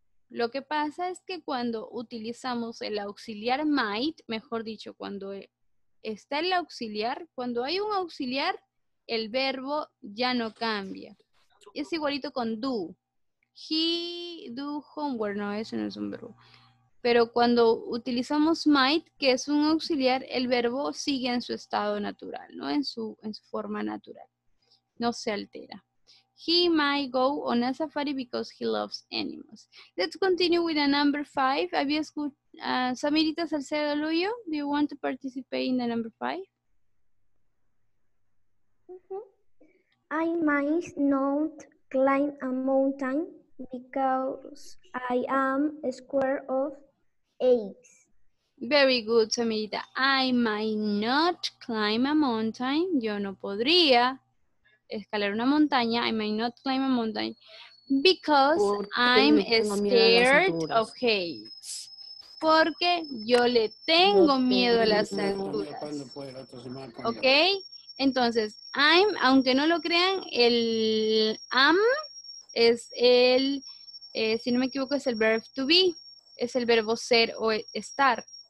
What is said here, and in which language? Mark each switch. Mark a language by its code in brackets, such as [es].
[es] Lo que pasa es que cuando utilizamos el auxiliar might, mejor dicho, cuando está el auxiliar, cuando hay un auxiliar, el verbo ya no cambia. Es igualito con do. He do homework. No, eso no es un verbo. Pero cuando utilizamos might, que es un auxiliar, el verbo sigue en su estado natural, ¿no? En su forma natural. No se altera. [en] He might go on a safari because he loves animals. Let's continue with the number five. Have you escuchado? Samirita Salcedo Luyo, do you want to participate in the number five? Mm-hmm. I might not climb a mountain because I am a square of eggs. Very good, Samirita. I might not climb a mountain. [es] Yo no podría escalar una montaña. [en] I might not climb a mountain because I'm scared of eggs. [es] Porque yo le tengo miedo a las alturas. ¿Ok? Entonces, I'm, aunque no lo crean, el am es el, si no me equivoco, es el verb to be. Es el verbo ser o estar.